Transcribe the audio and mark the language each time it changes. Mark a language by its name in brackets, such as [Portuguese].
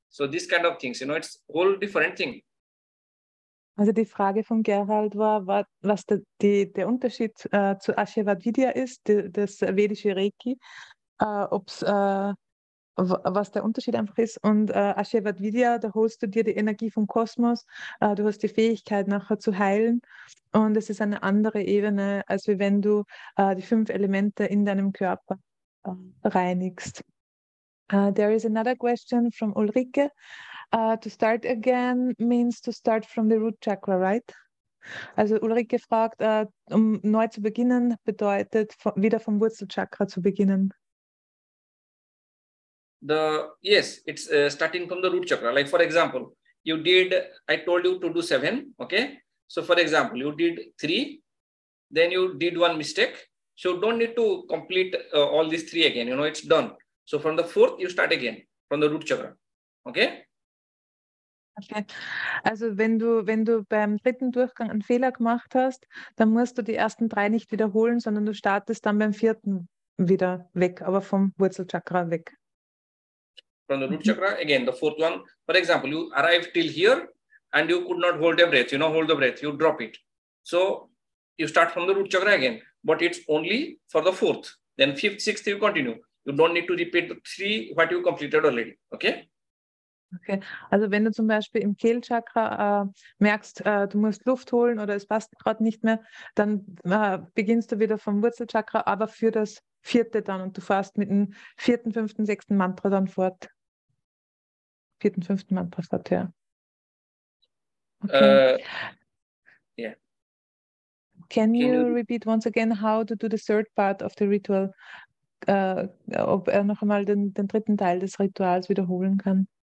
[English] So these kind of things, you know, it's a whole different thing. [German] Also die Frage von Gerald war, was der Unterschied zu Ashirvad Vidya ist, das vedische Reiki, was der Unterschied einfach ist. Und Ashirvad Vidya, da holst du dir die Energie vom Kosmos, du hast die Fähigkeit nachher zu heilen. Und es ist eine andere Ebene, als wenn du die fünf Elemente in deinem Körper reinigst. [English] There is another question from Ulrike. To start again means to start from the root chakra, right? [German] Also Ulrike fragt, um neu zu beginnen, bedeutet wieder vom Wurzelchakra zu beginnen. [English] It's starting from the root chakra. Like for example, I told you to do 7, okay? So for example, you did 3, then you did one mistake. So don't need to complete all these 3 again, you know, it's done. So from the 4th, you start again from the root chakra, okay? Okay. [German] Also wenn du beim dritten Durchgang einen Fehler gemacht hast, dann musst du die ersten 3 nicht wiederholen, sondern du startest dann beim 4. wieder weg, aber vom Wurzelchakra weg. [English] From the root chakra, again, the 4th one. For example, you arrived till here and you could not hold the breath. You know, hold the breath, you drop it. So you start from the root chakra again, but it's only for the 4th. Then 5th, 6th, you continue. You don't need to repeat the 3 what you completed already, okay? [German] Okay, also wenn du zum Beispiel im Kehlchakra merkst, du musst Luft holen oder es passt gerade nicht mehr, dann beginnst du wieder vom Wurzelchakra, aber für das 4. dann und du fährst mit dem 4., 5., 6. Mantra dann fort. 4., 5. Mantra fort, ja. Okay. [English] Can you repeat once again how to do the third part of the ritual? [German] Ob er noch einmal den dritten Teil des Rituals wiederholen kann?